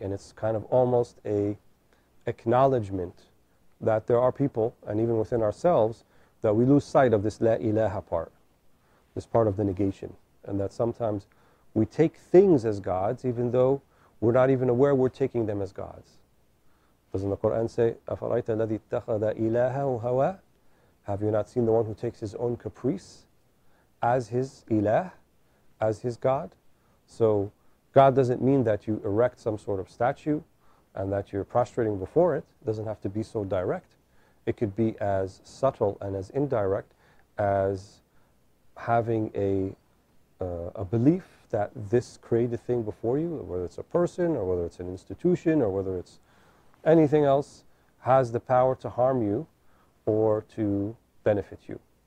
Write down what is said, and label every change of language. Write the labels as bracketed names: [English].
[English] And it's kind of almost a acknowledgement that there are people, and even within ourselves, that we lose sight of this la ilaha part, this part of the negation, and that sometimes we take things as gods, even though we're not even aware we're taking them as gods. Doesn't the Quran say, [Arabic] أَفَرَيْتَ الَّذِي اتَّخَذَ إِلَاهَهُ هَوَى? [English] Have you not seen the one who takes his own caprice as his ilah, as his god? So God doesn't mean that you erect some sort of statue and that you're prostrating before it. It doesn't have to be so direct. It could be as subtle and as indirect as having a belief that this created thing before you, whether it's a person or whether it's an institution or whether it's anything else, has the power to harm you or to benefit you.